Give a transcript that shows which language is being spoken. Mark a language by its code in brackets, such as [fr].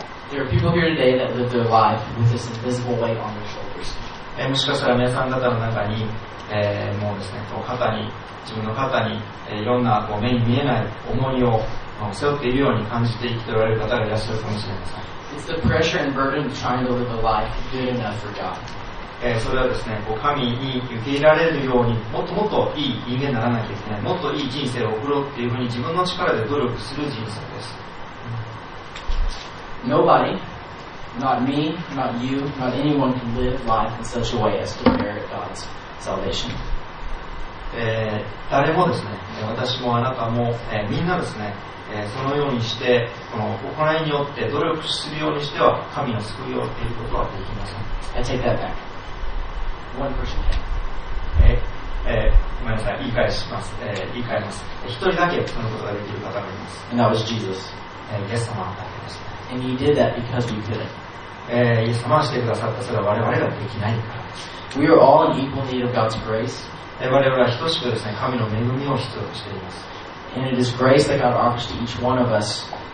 [en] There are people here today that live their life with this invisible weight on their shoulders. [ja] もしかしたら皆さん方の中に、もうですね、こう肩に、自分の肩に、いろんなこう目に見えない重荷を背負っているように感じて生きておられる方がいらっしゃるかもしれません。 [en] It's the pressure and burden of trying to live a life good enough for God. [ja] それはですね、こう神に受け入れられるようにもっともっといい人間にならなきゃいけない、もっといい人生を送ろうっていうふうに自分の力で努力する人生です。 [en] Nobody, not me, not you, not anyone can live life in such a way as to merit God's salvation. [ja] 誰もですね、私もあなたも、みんなですね、そのようにしてこの行いによって努力するようにしては神を救いを得ることはできません。 [en] I take that back. One person can. [ja] ごめんなさい、言い返します。言い換えます。一人だけそのことができる方がいます。 [en] And that was Jesus. [ja] イエス様だけです。 [en] And he did that because we couldn't. [ja] イエス様がしてくださったそれは我々ができないからです [en] 。 We are all in equal need of God's grace. [ja] 我々は等しくですね、神の恵みを必要としています。 [en] And it is grace that God offers to each one of us.